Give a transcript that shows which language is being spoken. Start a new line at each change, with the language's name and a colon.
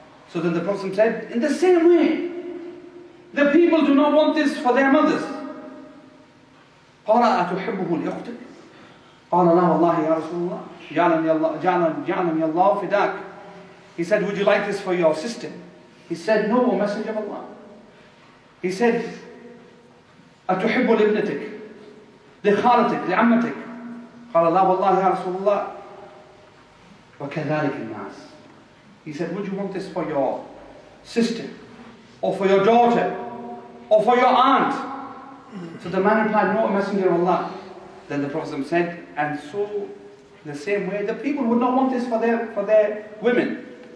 English: So then the Prophet said, in the same way, the people do not want this for their mothers.
Arabic: قَالَ أَتُحِبُّهُ لِيَخْتِكُ. قال له والله يا رسول الله جعلني الله فداك.
English: He said, would you like this for your sister? He said, no, O Messenger of Allah. He said,
Arabic: أتحب لابنتك لخالتك لعمتك؟ قال لا والله يا رسول الله وكذلك الناس.
English: He said, would you want this for your sister or for your daughter or for your aunt? So the man replied, no, Messenger of Allah. Then the Prophet said, and so the same way the people would not want this for their women.